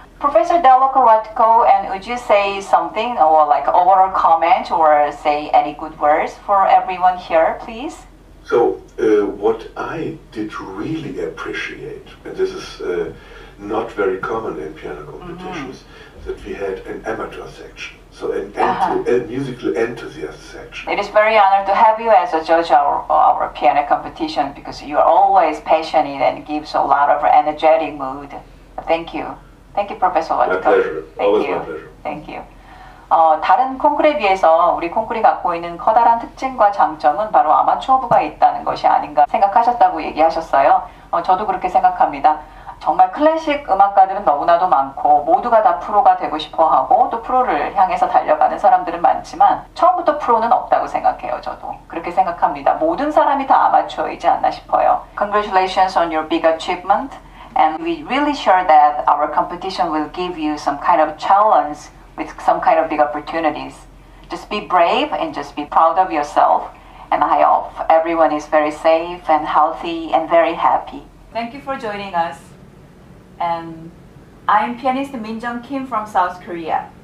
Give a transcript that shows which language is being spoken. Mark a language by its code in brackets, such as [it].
[en] Professor Daloko Ratko, and would you say something or like overall comment or say any good words for everyone here, please? So what I did really appreciate, and this is not very common in piano competitions, mm-hmm. that we had an amateur section. So an uh-huh. musical enthusiast section. It is very honored to have you as a judge of our piano competition because you are always passionate and gives a lot of energetic mood. Thank you. Thank you, Professor Watko. My pleasure. Always my pleasure. Thank you. [ko] 다른 콩쿨에 비해서 우리 콩쿨이 갖고 있는 커다란 특징과 장점은 바로 아마추어부가 있다는 것이 아닌가 생각하셨다고 얘기하셨어요. 저도 그렇게 생각합니다. 정말 클래식 음악가들은 너무나도 많고 모두가 다 프로가 되고 싶어하고 또 프로를 향해서 달려가는 사람들은 많지만 처음부터 프로는 없다고 생각해요. 저도 그렇게 생각합니다. 모든 사람이 다 아마추어이지 않나 싶어요. [en] Congratulations on your big achievement. And we're really sure that our competition will give you some kind of challenge with some kind of big opportunities. Just be brave and just be proud of yourself. And I hope everyone is very safe and healthy and very happy. Thank you for joining us. And I'm pianist Minjung Kim from South Korea.